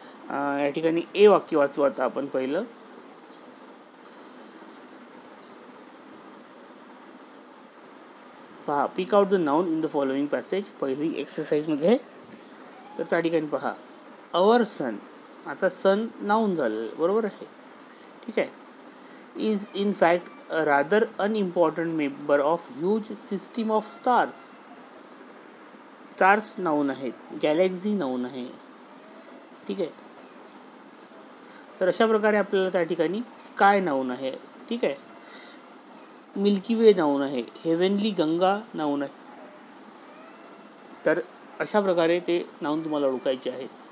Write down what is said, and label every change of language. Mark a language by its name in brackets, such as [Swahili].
[Marathi] या ठिकाणी ए वाक्य वाचू आता आपण. पहिलं पहा, [English] pick out the noun in the following passage [Marathi] पहिली एक्सरसाइजमध्ये. तर त्या ठिकाणी पहा, अवर सन. आता सन नाउन झालं बरोबर आहे. ठीक आहे. [English] Is in fact a rather unimportant member of huge system of stars. [Marathi] Stars noun आहेत, गॅलेक्झी नाउन आहे. ठीक आहे. तर अशा प्रकारे आपल्याला त्या ठिकाणी स्काय नाउन आहे. ठीक आहे. मिल्की वे नाउन आहे, हेवनली गंगा नाउन आहे. तर अशा प्रकारे ते नाउन तुम्हाला ओळखायचे आहे.